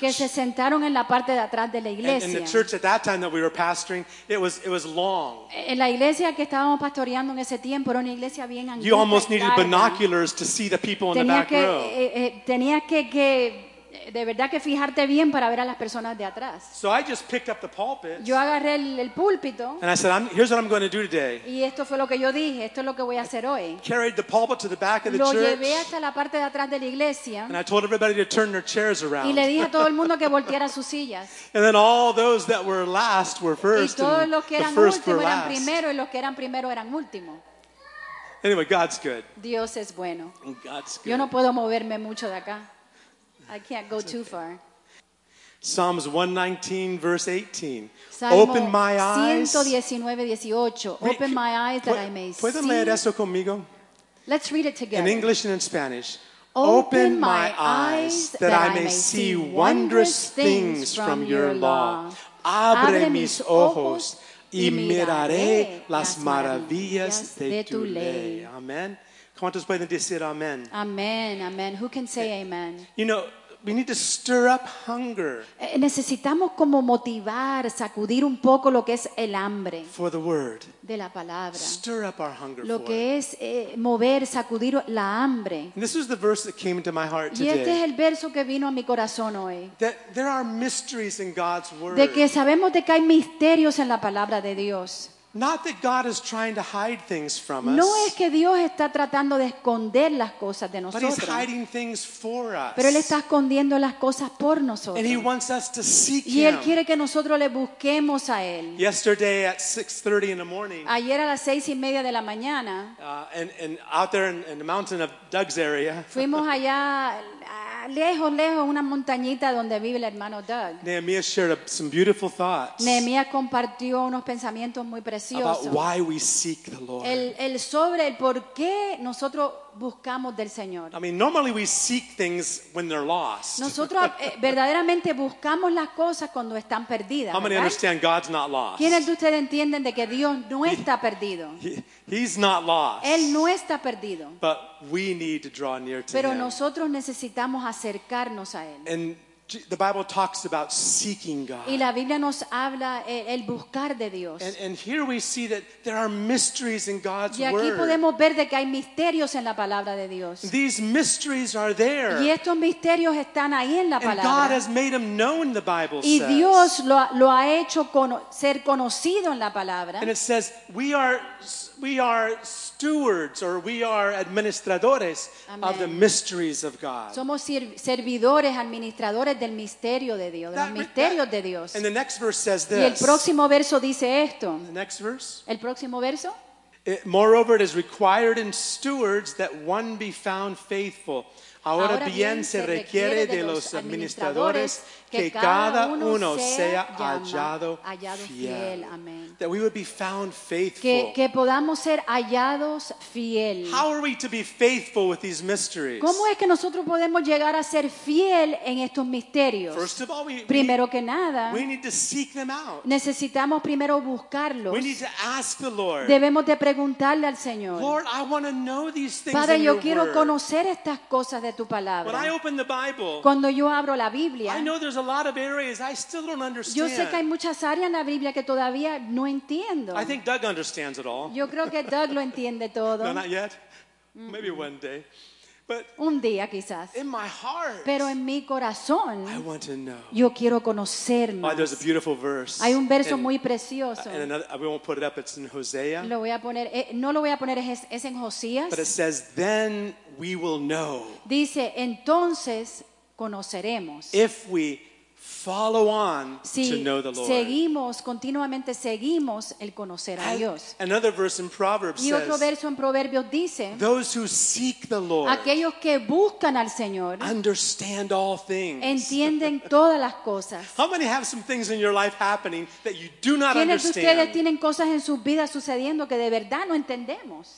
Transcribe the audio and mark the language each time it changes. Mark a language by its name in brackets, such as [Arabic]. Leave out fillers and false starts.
[Spanish] Que se sentaron en la parte de atrás de la iglesia. [English] And the church at that time that we were pastoring, it was long. [Spanish] En la iglesia que estábamos pastoreando en ese tiempo era una iglesia bien angosta. [English] You almost needed binoculars to see the people in the back [Spanish] que, [English] row. [Spanish] Tenías que de verdad que fijarte bien para ver a las personas de atrás. [English] So I just picked up the pulpit. [Spanish] Yo agarré el púlpito. [English] And I said, here's what I'm going to do today. [Spanish] Y esto fue lo que yo dije, esto es lo que voy a hacer hoy. [English] Carried the pulpit to the back of the [Spanish] lo [English] church. [Spanish] Lo llevé hasta la parte de atrás de la iglesia. [English] And I told everybody to turn their chairs around. [Spanish] Y le dije a todo el mundo que volteara sus sillas. [English] And then all those that were last were first. [Spanish] Y todos los que eran últimos eran primero y los que eran primero eran último. [English] Anyway, God's good. [Spanish] Dios es bueno. [English] And God's good. [Spanish] Yo no puedo moverme mucho de acá. [English] I can't go too far. Psalms 119 verse 18. Open my eyes. 119:18. Open my eyes that I may see. [Spanish] ¿Puedo leer eso conmigo? [English] Let's read it together. In English and in Spanish. Open my eyes that I may see wondrous things from your law. [Spanish] Abre mis ojos y miraré las maravillas de tu ley. Amen. ¿Cuántos pueden decir amén? [English] Amén, amén. Who can say amen? You know, we need to stir up hunger. [Spanish] Necesitamos como motivar, sacudir un poco lo que es el hambre. [English] For the word. [Spanish] De la palabra. [English] Stir up our hunger [Spanish] lo Lo que es mover, sacudir la hambre. [English] And this is the verse that came into my heart today. [Spanish] Y este es el verso que vino a mi corazón hoy. [English] That there are mysteries in God's word. [Spanish] De que sabemos de que hay misterios en la palabra de Dios. [English] Not that God is trying to hide things from us. [Spanish] No es que Dios está tratando de esconder las cosas de nosotros. [English] But he's hiding things for us. [Spanish] Pero él está escondiendo las cosas por nosotros. [English] And he wants us to seek him. [Spanish] Y él quiere que nosotros le busquemos a él. [English] Yesterday at 6:30 in the morning. [Spanish] Ayer a las 6:30 de la mañana. [English] And out there in the mountain of Doug's area. [Spanish] Fuimos allá lejos una montañita donde vive el hermano Doug. [English] Nehemiah shared some beautiful thoughts. [Spanish] Nehemiah compartió unos pensamientos muy preciosos. [English] About why we seek the Lord. [Spanish] El sobre el por qué nosotros buscamos del Señor. [English] I mean, normally we seek things when they're lost. [Spanish] Nosotros verdaderamente buscamos las cosas cuando están perdidas. [English] How many understand God's not lost? [Spanish] ¿Quiénes de ustedes entienden de que Dios no está perdido? [English] He's not lost. [Spanish] Él no está perdido. [English] But we need to draw near to [Spanish] Pero [English] him. [Spanish] Nosotros necesitamos acercarnos a él. [English] And The Bible talks about seeking God. [Spanish] Y la Biblia nos habla el buscar de Dios. [English] And here we see that there are mysteries in God's word. [Spanish] Y aquí podemos ver de que hay misterios en la palabra de Dios. [English] These mysteries are there. [Spanish] Y estos misterios están ahí en la palabra. [English] And God has made them known, the Bible says. [Spanish] Y Dios lo ha hecho ser conocido en la palabra. [English] And it says we are stewards, or we are administradores. Amen. Of the mysteries of God. [Spanish] Somos servidores, administradores del misterio de Dios, de los misterios de Dios. [English] And the next verse says this. [Spanish] Y el próximo verso dice esto. [English] The next verse. [Spanish] El próximo verso. [English] Moreover, it is required in stewards that one be found faithful. [Spanish] Ahora bien, se requiere de los administradores que cada uno sea hallado fiel. Amen. [English] That we would be found faithful. [Spanish] Que podamos ser hallados fiel. [English] How are we to be faithful with these mysteries? [Spanish] ¿Cómo es que nosotros podemos llegar a ser fiel en estos misterios? [English] First of all, [Spanish] primero que nada, we [English] need to seek them out. [Spanish] Necesitamos primero buscarlos. [English] We need to ask the Lord. [Spanish] Debemos de preguntarle al Señor. [English] Lord, I want to know these things. [Spanish] Padre, [English] in [Spanish] yo [English] your [Spanish] quiero [English] word. [Spanish] Conocer estas cosas de tu palabra. [English] When I open the Bible, [Spanish] cuando yo abro la Biblia, [English] I know there's a lot of areas I still don't understand. [Spanish] Yo sé que hay muchas áreas en la Biblia que todavía no entiendo. [English] I think Doug understands it all. [Spanish] Yo creo que Doug lo entiende todo. [English] No, not yet. Mm-hmm. Maybe one day. But [Spanish] un día quizás. [English] In my heart, [Spanish] pero en mi corazón, [English] I want to know. [Spanish] Yo quiero conocer más. [English] Oh, there's a beautiful verse. [Spanish] Hay un verso muy precioso. [English] And another, we won't put it up. It's in Hosea. [Spanish] Lo voy a poner. No lo voy a poner. Es en Josías. [English] But it says, "Then we will know." [Spanish] Dice, entonces conoceremos. [English] If we follow on, [Spanish] si [English] to know the Lord. [Spanish] Seguimos, continuamente seguimos el conocer a Dios. [English] Another verse in Proverbs [Spanish] says, y otro verso en Proverbios dice, [English] those who seek the Lord, [Spanish] aquellos que buscan al Señor, [English] understand all things. [Spanish] Entienden todas las cosas. [English] How many have some things in your life happening that you do not [Spanish] ¿quiénes [English] understand? [Spanish] ¿Quiénes ustedes tienen cosas en sus vidas sucediendo que de verdad no entendemos?